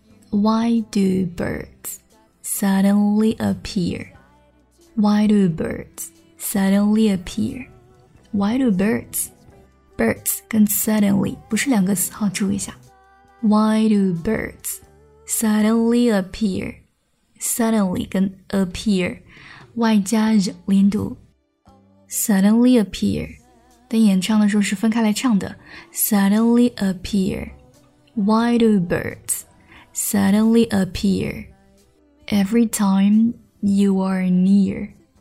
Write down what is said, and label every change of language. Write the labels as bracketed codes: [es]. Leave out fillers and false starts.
[en] Why do birds suddenly appear? Why do birds suddenly appear? Why do birds? [zh] Birds 跟 suddenly 不是两个词，好，注意一下。 Why do birds suddenly appear? [en] Suddenly 跟 appear Y 加 Z 连读 Suddenly appear [zh] 但演唱的时候是分开来唱的 [en] Suddenly appearWhy do birds suddenly appear every time you are near?